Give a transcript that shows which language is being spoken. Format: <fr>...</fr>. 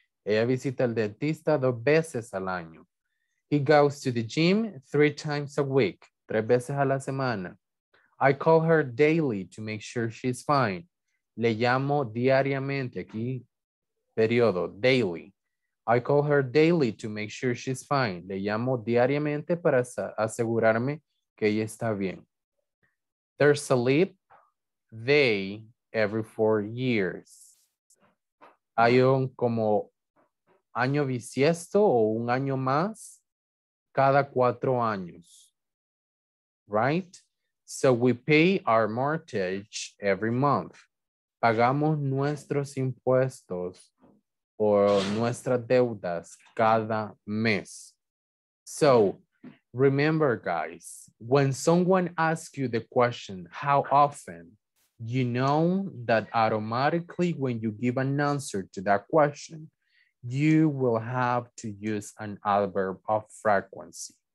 <es>Ella visita al dentista dos veces al año.</es> <en>He goes to the gym three times a week.</en> <es>Tres veces a la semana.</es> <en>I call her daily to make sure she's fine.</en> <es>Le llamo diariamente. Aquí, periodo, daily.</es> <en>I call her daily to make sure she's fine.</en> <es>Le llamo diariamente para asegurarme que ella está bien.</es> <en>There's a leap day every 4 years.</en> <es>Hay un como año bisiesto o un año más cada 4 años. Right?</es> <en>So we pay our mortgage every month.</en> <es>Pagamos nuestros impuestos o nuestras deudas cada mes.</es> <en>So, remember guys, when someone asks you the question, how often, you know that automatically when you give an answer to that question, you will have to use an adverb of frequency.</en>